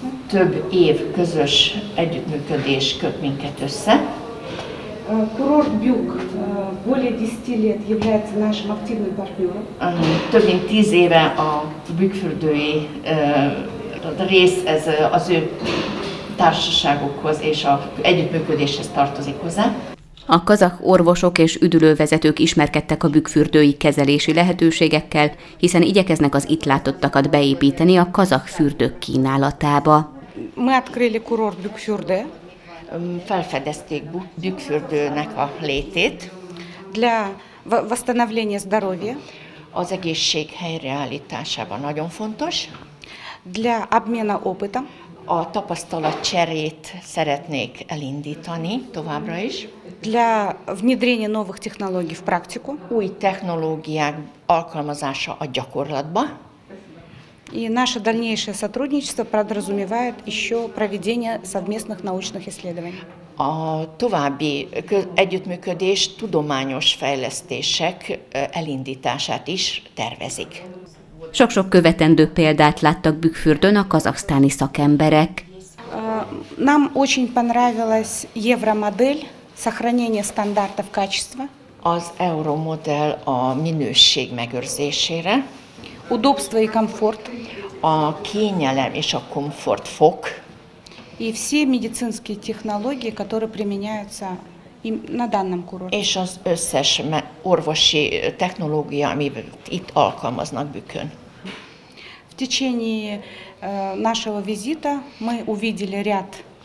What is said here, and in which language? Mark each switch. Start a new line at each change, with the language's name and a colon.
Hungarian: Több év közös együttműködés köt minket össze.
Russian: Курорт Бюк более 10 лет является нашим активным партнером.
Hungarian: Több mint 10 éve a Bükkfürdői rész ez az ő társaságokhoz és a együttműködéshez tartozik hozzá. A kazah orvosok és üdülővezetők ismerkedtek a Bükkfürdői kezelési lehetőségekkel, hiszen igyekeznek az itt látottakat beépíteni a kazah fürdők kínálatába.
Russian: Мы открыли курорт Бükkfürdő.
Hungarian: Felfedezték Bükkfürdőnek a létét.
Russian: Для восстановления здоровья.
Hungarian: Az egészség helyreállításában nagyon fontos.
Russian: Для обмена опытом.
Hungarian: A tapasztalatcserét szeretnék elindítani továbbra is.
Russian: Для внедрения новых технологий в практику.
Hungarian: Új technológiák alkalmazása a gyakorlatba.
Russian: И наше дальнейшее сотрудничество подразумевает еще проведение совместных научных исследований.
Hungarian: A további együttműködés tudományos fejlesztések elindítását is tervezik. Sok-sok követendő példát láttak Bükkfürdőn a kazahsztáni szakemberek.
Russian: Нам очень понравилась евромодель сохранения стандартов качества.
Hungarian: Az euromodell a minőség megőrzésére.
Russian: Удобство и комфорт.
Hungarian: A kényelem és a komfort fok.
Russian: и все медицинские технологии, которые применяются на данном курорте.
Hungarian: És az összes orvosi technológia, amit itt alkalmaznak Bükön.
Russian: В течение нашего визита мы увидели ряд